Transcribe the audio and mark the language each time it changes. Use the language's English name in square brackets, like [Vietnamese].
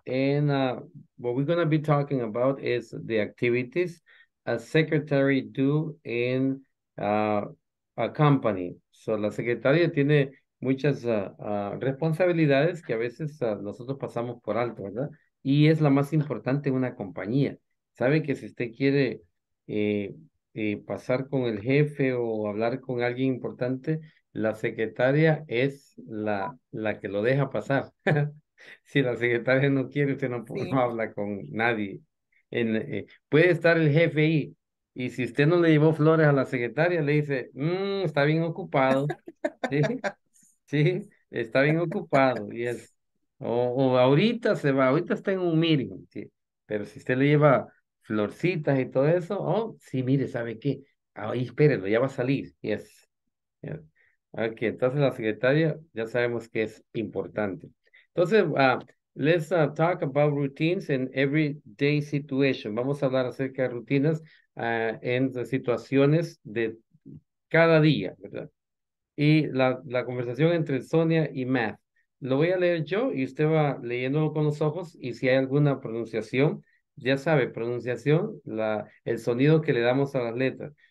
[English] And what we're going to be talking about is the activities a secretary do in a company. [Spanish] So la secretaria tiene muchas responsabilidades que a veces nosotros pasamos por alto, ¿verdad? Y es la más importante en una compañía. ¿Sabe que si usted quiere pasar con el jefe o hablar con alguien importante, la secretaria es la que lo deja pasar? Si la secretaria no quiere, usted no habla con nadie. Puede estar el jefe ahí, y si usted no le llevó flores a la secretaria, le dice, está bien ocupado. ¿Sí? Sí, está bien ocupado. [English] Yes. [Spanish] O ahorita se va, ahorita está en un meeting. ¿Sí? Pero si usted le lleva florcitas y todo eso, sí, mire, ¿sabe qué? Ahí espérenlo, ya va a salir. [English] Yes. Yes. Okay, [Spanish] entonces la secretaria ya sabemos que es importante. Entonces, [English] let's talk about routines in everyday situation. [Spanish] Vamos a hablar acerca de rutinas en situaciones de cada día, ¿verdad? Y la conversación entre Sonia y Matt. Lo voy a leer yo y usted va leyéndolo con los ojos. Y si hay alguna pronunciación, ya sabe, pronunciación, el sonido que le damos a las letras.